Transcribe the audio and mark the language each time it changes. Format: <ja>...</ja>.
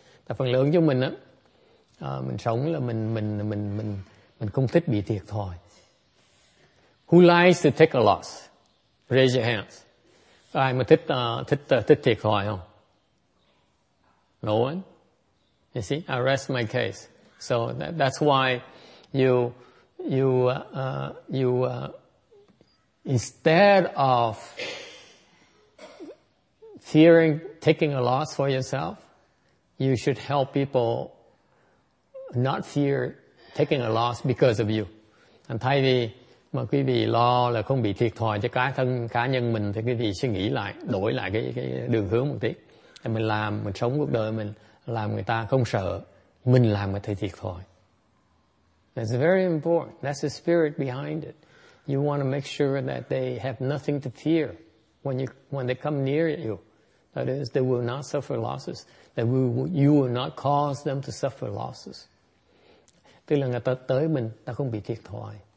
<vi>Tại phần lớn chúng mình á, mình sống là mình không thích bị thiệt thòi.</vi> <en>Who likes to take a loss? Raise your hands.</en> <vi>Ai mà thích thiệt thòi không?</vi> <en>No one. You see, I rest my case. So that's why you instead of fearing taking a loss for yourself, you should help people not fear taking a loss because of you.</en> <vi>And thay vì mà quý vị lo là không bị thiệt thòi cho cá nhân mình, thì quý vị suy nghĩ lại, đổi lại cái đường hướng một tí. Thì mình làm, mình sống cuộc đời mình, làm người ta không sợ, mình làm người ta thiệt thòi.</vi> <en>That's very important. That's the spirit behind it. You want to make sure that they have nothing to fear when they come near you. That is, they will not suffer losses. That you will not cause them to suffer losses.</en> <vi>Tức là người ta tới mình, ta không bị thiệt thòi.</vi>